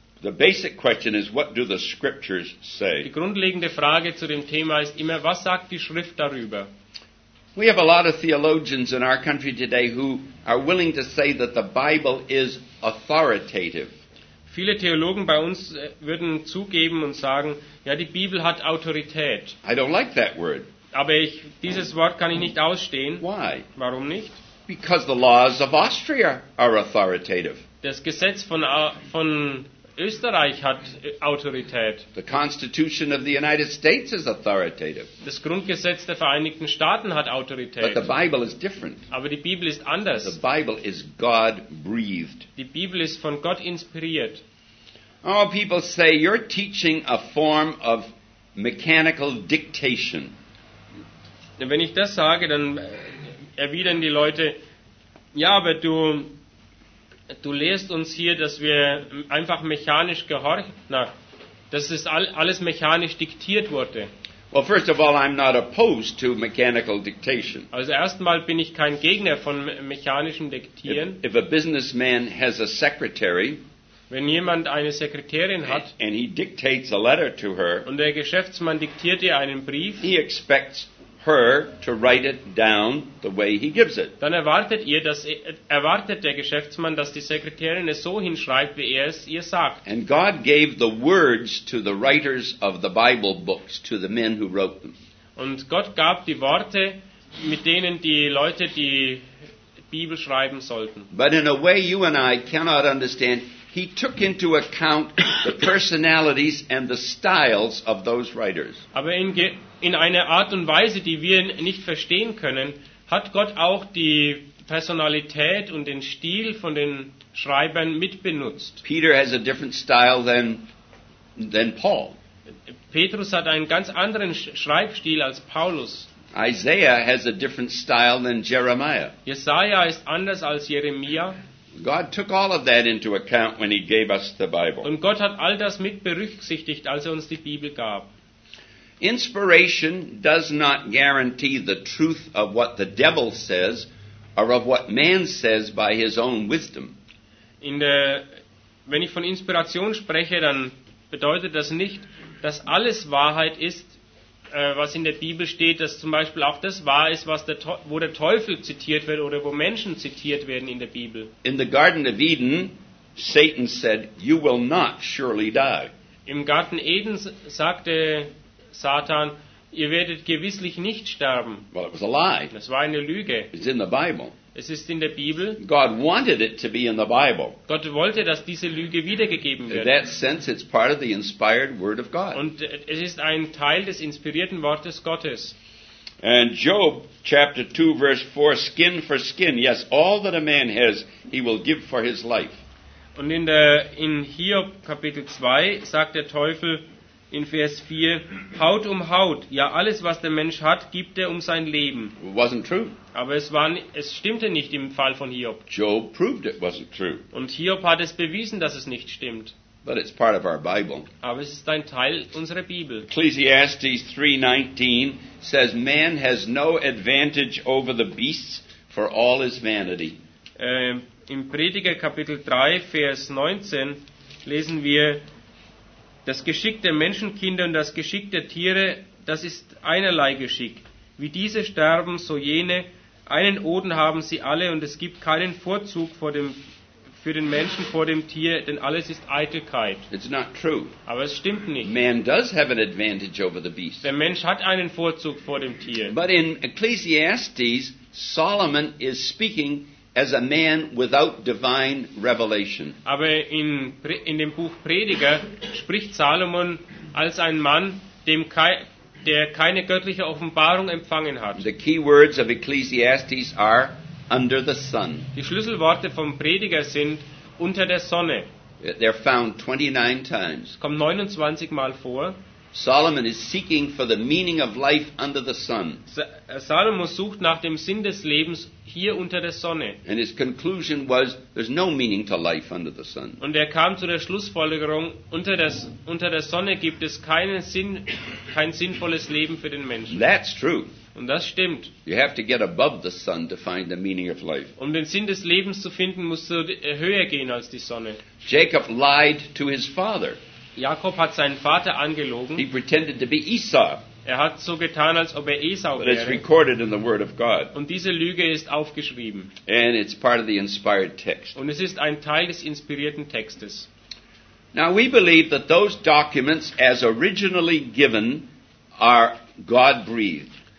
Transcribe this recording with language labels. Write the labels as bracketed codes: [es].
[en] The basic question is, what do the scriptures say? [de] Die grundlegende Frage zu dem Thema ist immer, was sagt die Schrift darüber? [en] We have a lot of theologians in our country today who are willing to say that the Bible is authoritative. [de] Viele Theologen bei uns würden zugeben und sagen, ja, die Bibel hat Autorität. [en] I don't like that word. [de] Aber dieses Wort kann ich nicht ausstehen. [en] Why? [de] Warum nicht? [en] Because the laws of Austria are authoritative. [de] Das Gesetz von Österreich hat Autorität. [en] The Constitution of the United States is authoritative. [de] Das Grundgesetz der Vereinigten Staaten hat Autorität. [en] But the Bible is different. [de] Aber die Bibel ist anders. [en] The Bible is God-breathed. [de] Die Bibel ist von Gott inspiriert. [en] Oh, people say you're teaching a form of mechanical dictation. [de] Wenn ich das sage, dann erwidern die Leute, ja, aber du lehrst uns hier, dass wir einfach mechanisch gehorchen. Na, dass es alles mechanisch diktiert wurde. [en] Well, first of all, I'm not opposed to mechanical dictation. [de] Also erstmal bin ich kein Gegner von mechanischem Diktieren. [en] If a businessman has a secretary, [de] wenn jemand eine Sekretärin hat, [en] and he dictates a letter to her, [de] und der Geschäftsmann diktiert ihr einen Brief, [en] he expects her to write it down the way he gives it. [de] Dann erwartet der Geschäftsmann, dass die Sekretärin es so hinschreibt, wie er es ihr sagt. [en] And God gave the words to the writers of the Bible books, to the men who wrote them. [de] Und Gott gab die Worte, mit denen die Leute die Bibel schreiben sollten. [en] But in a way you and I cannot understand, he took into account the personalities and the styles of those writers. [de] Aber in einer Art und Weise, die wir nicht verstehen können, hat Gott auch die Personalität und den Stil von den Schreibern mitbenutzt. [en] Peter has a different style than Paul. [de] Petrus hat einen ganz anderen Schreibstil als Paulus. [en] Isaiah has a different style than Jeremiah. [de] Jesaja ist anders als Jeremia. [en] God took all of that into account when he gave us the Bible. [de] Und Gott hat all das mit berücksichtigt, als er uns die Bibel gab. [en] Inspiration does not guarantee the truth of what the devil says or of what man says by his own wisdom. [de] Wenn ich von Inspiration spreche, dann bedeutet das nicht, dass alles Wahrheit ist, was in der Bibel steht, dass zum Beispiel auch das wahr ist, wo der Teufel zitiert wird oder wo Menschen zitiert werden in der Bibel. [en] In the Garden of Eden, Satan said, "You will not surely die." [de] Im Garten Eden sagte Satan, ihr werdet gewisslich nicht sterben. [en] Well, it was a lie. [de] Das war eine Lüge. [en] It's in the Bible. [de] Es ist in der Bibel. [en] God wanted it to be in the Bible. [de] Gott wollte, dass diese Lüge wiedergegeben wird. [en] In that sense, it's part of the inspired word of God. [de] Und es ist ein Teil des inspirierten Wortes Gottes. [en] And Job chapter 2 verse 4, skin for skin, yes, all that a man has, he will give for his life. [de] Und in Hiob Kapitel 2 sagt der Teufel in Vers 4, Haut um Haut, ja, alles, was der Mensch hat, gibt er um sein Leben. [en] It wasn't true. [de] Aber es stimmte nicht im Fall von Hiob. [en] Job proved it wasn't true. [de] Und Hiob hat es bewiesen, dass es nicht stimmt. [en] But it's part of our Bible. [de] Aber es ist ein Teil unserer Bibel. [en] Ecclesiastes 3:19 says, man has no advantage over the beasts, for all is vanity. [de] Im Prediger Kapitel 3, Vers 19 lesen wir, das Geschick der Menschenkinder und das Geschick der Tiere, das ist einerlei Geschick. Wie diese sterben, so jene. Einen Oden haben sie alle und es gibt keinen Vorzug für den Menschen vor dem Tier, denn alles ist Eitelkeit. [en] It's not true. [de] Aber es stimmt nicht. [en] Man does have an advantage over the beast. [de] Der Mensch hat einen Vorzug vor dem Tier. [en] But in Ecclesiastes, Solomon is speaking as a man without divine revelation. [de] Aber in dem Buch Prediger spricht Salomon als ein Mann, der keine göttliche Offenbarung empfangen hat. [en] The key words of Ecclesiastes are under the sun. [de] Die Schlüsselworte vom Prediger sind unter der Sonne. [en] They're found 29 times. [de] Kommt 29 Mal vor. [en] Solomon is seeking for the meaning of life under the sun. [de] Salomo sucht nach dem Sinn des Lebens hier unter der Sonne. [en] And his conclusion was, there's no meaning to life under the sun. [de] Und kam zu der Schlussfolgerung, unter der Sonne gibt es keinen Sinn, kein sinnvolles Leben für den Menschen. [en] That's true. [de] Und das stimmt. [en] You have to get above the sun to find the meaning of life. [de] Um den Sinn des Lebens zu finden, musst du höher gehen als die Sonne. [en] Jacob lied to his father. [de] Jakob hat seinen Vater angelogen. [en] He pretended to be Esau. [de] Er hat so getan, als ob er Esau [en] But [de] wäre. [en] It's recorded in the Word of God. [de] Und diese Lüge ist aufgeschrieben. [en] And it's part of the inspired text. [de] Und es ist ein Teil des inspirierten Textes. [en] Now we believe that those documents, as originally given, are God-breathed.